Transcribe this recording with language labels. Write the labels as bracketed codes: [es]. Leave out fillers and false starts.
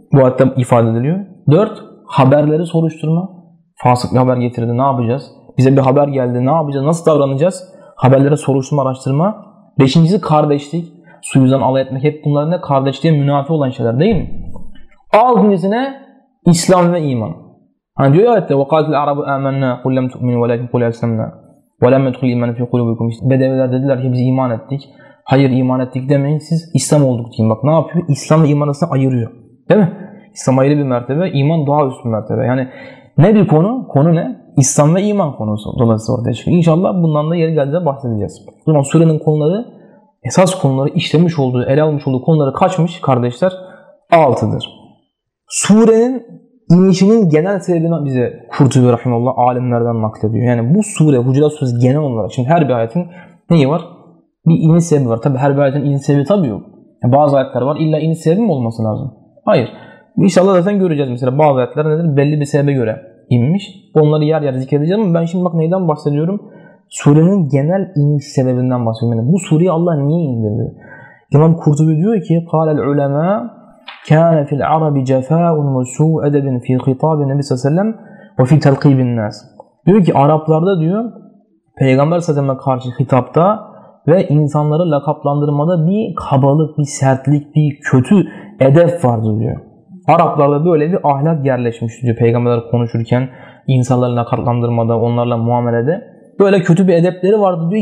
[tr] Bu ayette ifade ediliyor. 4. Haberleri soruşturma. Fasık bir haber getirdi. Ne yapacağız? Bize bir haber geldi. Ne yapacağız? Nasıl davranacağız? Haberlere soruşturma, araştırma. 5. Kardeşlik. Suyuzdan alay etmek. Hep bunların ne? Kardeşliğe münafi olan şeyler değil mi? 6. İslam ve iman. Hani diyor ya ayette [ar] وَقَالَتِ الْعَرَبُ اَمَنَّا قُلْ لَمْ تُؤْمِنُوا وَلَكِنْ قُلْ اَسْلَمْنَا وَلَمْ يَدْخُلْ اِيمَانَ فِي قُلُوبِكُمْ. [tr] Bedeviler dediler ki biz iman ettik. Hayır, iman ettik demeyin, siz İslam olduk diyeyim. Bak ne yapıyor? İslam ve iman arasında ayırıyor. Değil mi? İslam ayrı bir mertebe, iman daha üst bir mertebe. Yani ne bir konu? Konu ne? İslam ve iman konusu. Dolayısıyla ortaya çıkıyor. İnşallah bundan da yeri geldiğinde bahsedeceğiz. Zaman surenin konuları, esas konuları işlemiş olduğu, ele almış olduğu konuları kaçmış kardeşler? 6'dır. Surenin inişinin genel sebebini bize Kurtubi Rahimallah alimlerden naklediyor. Yani bu sure, Hucurat Suresi genel olarak, çünkü her bir ayetin neyi var? Bir iniş sebebi var. Tabi her bir ayetin iniş sebebi tabi yok. Yani bazı ayetler var, illa iniş sebebi mi olması lazım? Hayır. İnşallah zaten göreceğiz mesela bazı ayetler nedir? Belli bir sebebe göre inmiş. Onları yer yer zikredeceğim ama ben şimdi bak neyden bahsediyorum? Surenin genel iniş sebebinden bahsediyorum. Yani bu sureyi Allah niye indirdi? İmam Kurtubi diyor ki, [ar] قال العلماء كان في العرب جفاء وسوء أدب في خطاب النبي صلى الله عليه وسلم وفي تلقيب الناس. [tr] Diyor ki Araplarda diyor Peygamber sallallahu aleyhi ve sellem'e karşı hitapta ve insanları lakaplandırmada bir kabalık, bir sertlik, bir kötü edep vardı diyor. Araplarda böyle bir ahlak yerleşmiş diyor. Peygamberler konuşurken insanları lakaplandırmada, onlarla muamelede böyle kötü bir edepleri vardı diyor.